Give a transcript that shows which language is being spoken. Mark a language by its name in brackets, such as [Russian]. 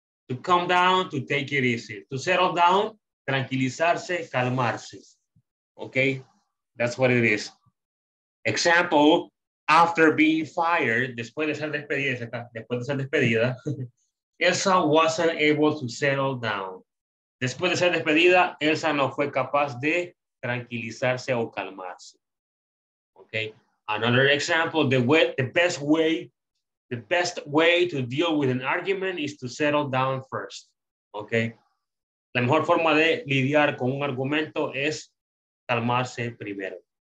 [English] To calm down, to take it easy. To settle down, [Spanish] tranquilizarse, calmarse. [English] Okay? That's what it is. Example. After being fired, [Spanish] después de ser despedida, [English] Elsa wasn't able to settle down. [Spanish] Después de ser despedida, Elsa no fue capaz de tranquilizarse o calmarse. [English] Okay. Another example, the best way to deal with an argument is to settle down first. Okay. [Spanish] La mejor forma de lidiar con un argumento es calmarse primero.